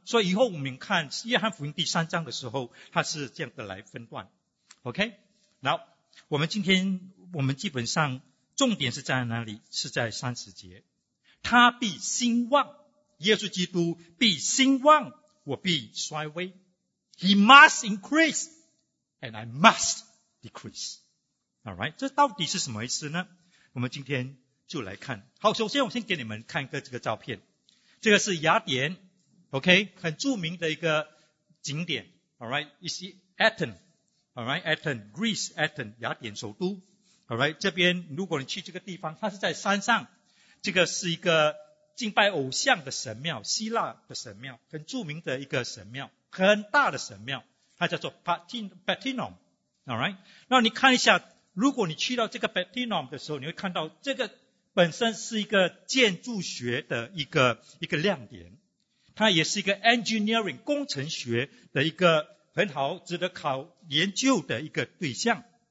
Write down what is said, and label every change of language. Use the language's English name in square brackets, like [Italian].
[Chinese] 所以以后我们看约翰福音第三章的时候，它是这样的来分段。 [English] OK? [Chinese] 那我们基本上重点是在哪里？是在三十节，他必兴旺，耶稣基督必兴旺，我必衰微。 [English] He must increase, and I must decrease. [Chinese] All right, 这到底是什么意思呢？我们今天就来看。好，首先我先给你们看一个这个照片，这个是雅典 ，OK， 很著名的一个景点。 [English] All right, it's Athens. [Chinese] All right, Athens, Greece, Athens, 雅典首都。 Alright, 这边如果你去这个地方，它是在山上，这个是一个敬拜偶像的神庙，希腊的神庙，很著名的一个神庙，很大的神庙，它叫做 Parthenon。 Alright, 那你看一下，如果你去到这个 Parthenon 的时候，你会看到这个本身是一个建筑学的一个亮点，它也是一个 engineering 工程学的一个很好值得考研究的一个对象。